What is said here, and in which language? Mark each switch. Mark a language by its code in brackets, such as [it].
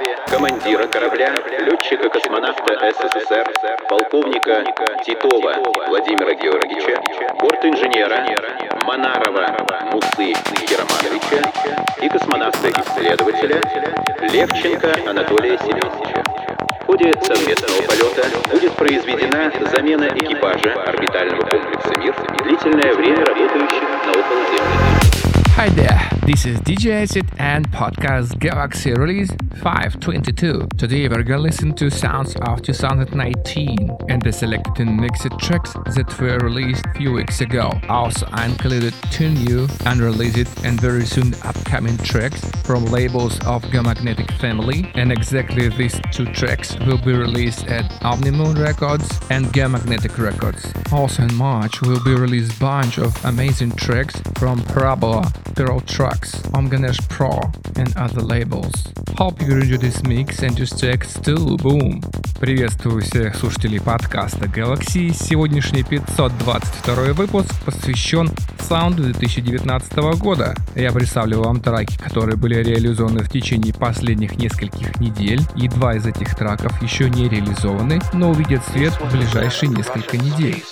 [ru] Командира корабля, летчика-космонавта СССР, полковника Титова Владимира Георгиевича, бортинженера Монарова Мусы Германовича и космонавта-исследователя Левченко Анатолия Семеновича. В ходе совместного полета будет произведена замена экипажа орбитального комплекса «Мир», длительное время работающих на околоземной. [en] Hi there, this is DJ Acid and podcast Galaxy Release 522. Today we're gonna listen to sounds of 2019 and the selected and mixed tracks that were released few weeks ago. Also, I included two new, unreleased and very soon upcoming tracks from labels of Geomagnetic Family, and exactly these two tracks will be released at Omnimoon Records and Geomagnetic Records. Also in March will be released bunch of amazing tracks from Parabola, Girl Trucks, Omganesh Pro and other labels. Hope you enjoy this mix and just check still boom. [ru] Приветствую всех слушателей подкаста Galaxy. Сегодняшний 522 выпуск посвящен саунду 2019 года. Я представлю вам траки, которые были реализованы в течение последних нескольких недель, и два из этих траков еще не реализованы, но увидят свет в ближайшие несколько недель.